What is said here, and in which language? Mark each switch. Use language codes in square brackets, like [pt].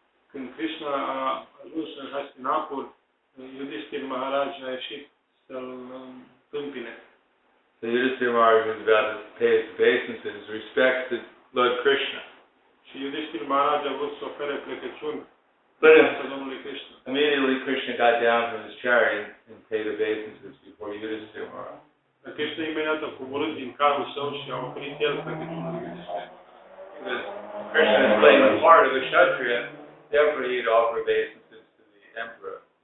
[ro] Când Krishna a ajuns în Hastinapur, Yudhisthira Maharaj a ieșit să-l întâmpine. [en] So Yudhisthira Maharaj was about to pay his obeisances, respect to Lord Krishna. [ro] Și Yudhisthira Maharaj a vrut să ofere plecăciuni pentru Domnului Krishna. [en] Immediately Krishna got down from his chariot and paid obeisances before Yudhisthira Maharaj. [ro] Krishna imediat a coborât din carul său și a oferit el plecăciuni. [en] Krishna is playing the part of a kshatriya. Therefore, he'd offer obeisances to the emperor.